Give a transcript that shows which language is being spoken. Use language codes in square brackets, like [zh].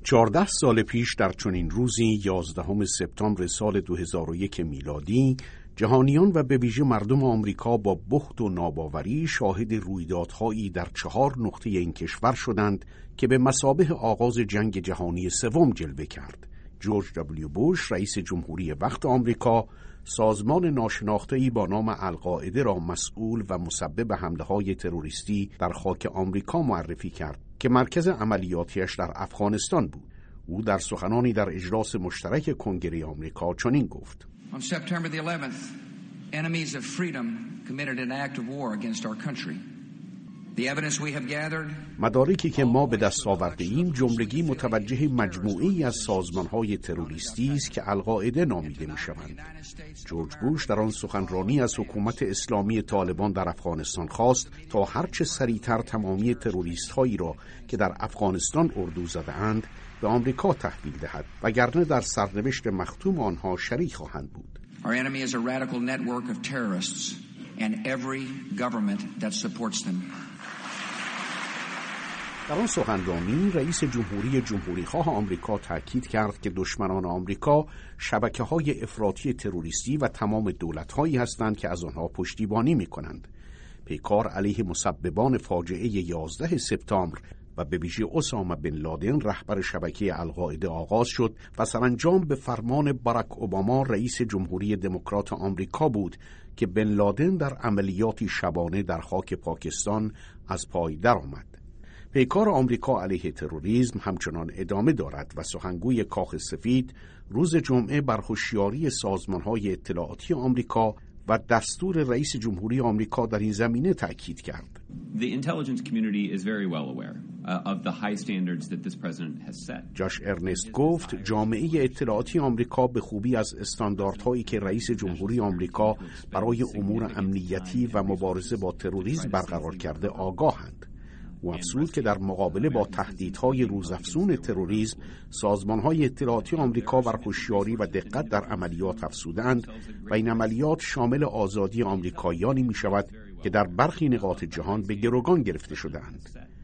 [fa] 14 سال پیش در چنین روزی 11 سپتامبر سال 2001 میلادی، جهانیان و به ویژه مردم آمریکا با بهت و ناباوری شاهد رویدادهایی در 4 نقطه این کشور شدند که به مثابه آغاز جنگ جهانی سوم جلوه کرد. جورج دبلیو بوش، رئیس جمهوری وقت آمریکا، سازمان ناشناخته‌ای با نام القاعده را مسئول و مسبب حمله‌های تروریستی در خاک آمریکا معرفی کرد که مرکز عملیاتیش در افغانستان بود. او در سخنانی در اجلاس مشترک کنگره آمریکا چنین گفت: [en] On September the 11th, enemies of freedom committed an act of war against our country. The evidence we have gathered. [fa] مدارکی که ما به دست آورده ایم جملگی متوجه مجموعه ای از سازمان‌های تروریستی است که القاعده نامیده می‌شوند. جورج بوش در آن سخنرانی از حکومت اسلامی طالبان در افغانستان خواست تا هر چه سریع‌تر تمامی تروریست‌هایی را که در افغانستان اردو زده‌اند به آمریکا تحویل دهد، وگرنه در سرنوشت مختوم آنها شریک خواهند بود. [en] Our enemy is a radical network of terrorists and every government that supports them. [fa] در آن سخنرانی رئیس جمهوری جمهوری‌خواه آمریکا تأکید کرد که دشمنان آمریکا شبکه‌های افراطی تروریستی و تمام دولت‌هایی هستند که از آنها پشتیبانی می‌کنند. پیکار علیه مسببان فاجعه 11 سپتامبر و به ویژه اسامه بن لادن رهبر شبکه القاعده آغاز شد و سرانجام به فرمان باراک اوباما رئیس جمهوری دموکرات آمریکا بود که بن لادن در عملیاتی شبانه در خاک پاکستان از پای درآمد. پیکار آمریکا علیه تروریسم همچنان ادامه دارد و سخنگوی کاخ سفید روز جمعه بر هوشیاری سازمان‌های اطلاعاتی آمریکا و دستور رئیس جمهوری آمریکا در این زمینه تاکید کرد. [en] The intelligence community is very well aware of the high standards that this president has set. [fa] جاش ارنست گفت جامعه اطلاعاتی آمریکا به خوبی از استانداردهایی که رئیس جمهوری آمریکا برای امور امنیتی و مبارزه با تروریسم برقرار کرده آگاهند. و افزود که در مقابله با تهدیدهای روزافزون تروریسم، سازمان‌های اطلاعاتی آمریکا بر هوشیاری و دقت در عملیات افزودند و این عملیات شامل آزادی آمریکاییانی می‌شود که در برخی نقاط جهان به گروگان گرفته شده‌اند.